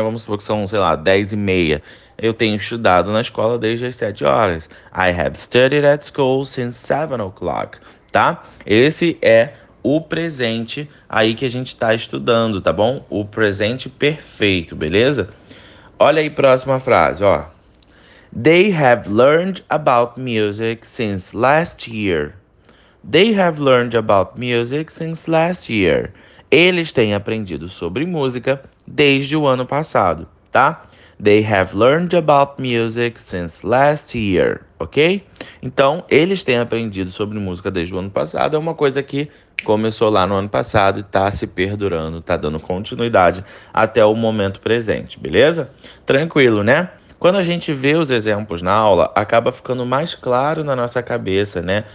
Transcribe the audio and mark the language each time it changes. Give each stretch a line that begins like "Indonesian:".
Portuguese: Vamos supor que são, sei lá, 10 e meia. Eu tenho estudado na escola desde as 7 horas.
English: I have studied at school since 7 o'clock, tá?
Portuguese: Esse é o presente aí que a gente está estudando, tá bom? O presente perfeito, beleza? Olha aí, próxima frase, ó.
English: They have learned about music since last year. They have learned about music since last year.
Portuguese: Eles têm aprendido sobre música desde o ano passado, tá?
English: They have learned about music since last year, ok?
Portuguese: Então, eles têm aprendido sobre música desde o ano passado. É uma coisa que começou lá no ano passado e tá se perdurando, tá dando continuidade até o momento presente, beleza? Tranquilo, né? Quando a gente vê os exemplos na aula, acaba ficando mais claro na nossa cabeça, né?